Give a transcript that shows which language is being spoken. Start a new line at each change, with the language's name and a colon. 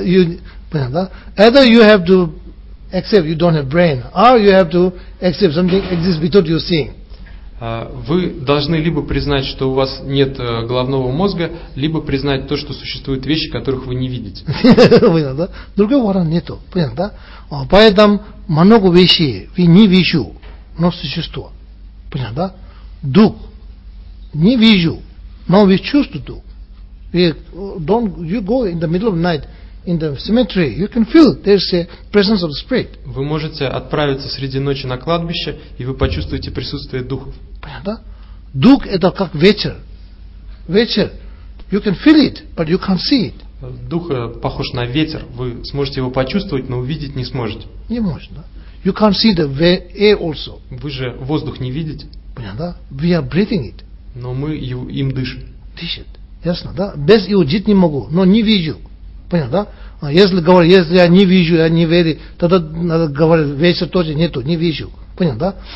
English: Either you have to accept you don't have brain, or you have to accept something exists without you seeing.
Russian: Вы должны либо признать, что у вас нет головного мозга, либо признать то, что существуют вещи, которых вы не видите. Понятно, да? Другого варианта нету. Понятно, да? Поэтому много вещей вы не вижу, но существует. Понятно, да? Дух. Не вижу, но вы чувствуете дух.
English: You go in the middle of night in the cemetery, you can feel there's a presence of the spirit.
Russian: Вы можете отправиться среди ночи на кладбище, и вы почувствуете присутствие духов. Понятно? Дух это как ветер. Ветер.
English: You can feel it, but you can't see it.
Russian: Дух похож на ветер. Вы сможете его почувствовать, но увидеть не сможете. Не можете, да?
English: You can't see the air also.
Russian: Вы же воздух не видите. Понятно?
English: We are breathing it.
Russian: но мы им дышим. Дышит. Ясно, да? Без и удить не могу, но не вижу. Понятно, да? А если говорю, если я не вижу, я не верю, тогда надо говорить, веса тоже нету, не вижу. Понятно, да?